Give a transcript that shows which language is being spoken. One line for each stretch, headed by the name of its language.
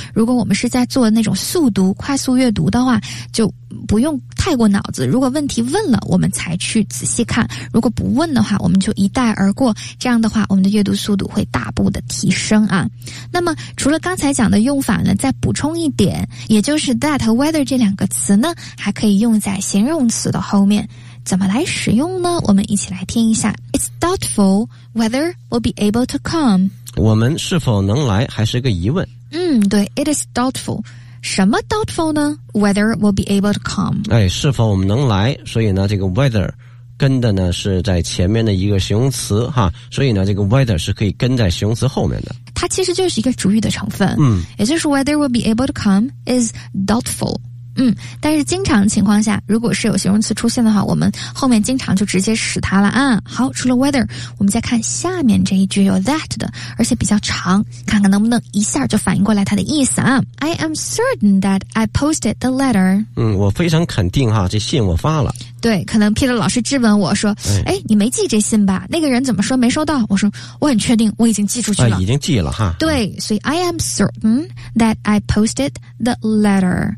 Chinese: 如果我们是在做那种速读快速阅读的话，就不用太过脑子，如果问题问了我们才去仔细看，如果不问的话我们就一带而过，这样的话我们的阅读速度会大步的提升啊。那么除了刚才讲的用法呢，再补充一点，也就是 that 和 whether 这两个词呢还可以用在形容词的后面，怎么来使用呢，我们一起来听一下。
English: It's doubtful whether we'll be able to come,
Chinese: 我们是否能来还是个疑问。对，
English: It is doubtful,
Chinese: 什么
English: doubtful
Chinese: 呢
English: ?whether we'll be able to come.
Chinese: 是否我们能来，所以呢这个 whether 跟的呢是在前面的一个形容词哈，所以呢这个 whether 是可以跟在形容词后面的。它其实就是一个主语的成分。也就是
English: whether we'll be able to come is doubtful.
Chinese: 但是经常情况下如果是有形容词出现的话，我们后面经常就直接使它了啊。好，除了 whether, 我们再看下面这一句有 that 的，而且比较长，看看能不能一下就反应过来它的意思啊。
English: I am certain that I posted the letter.
Chinese: 我非常肯定哈，这信我发了。对，可能 Peter 老师质问我说，哎，你没寄这信吧？那个人怎么说没收到？我说，我很确定，我已经寄出去了。已经寄了哈。对，所以
English: I am certain that I posted the letter.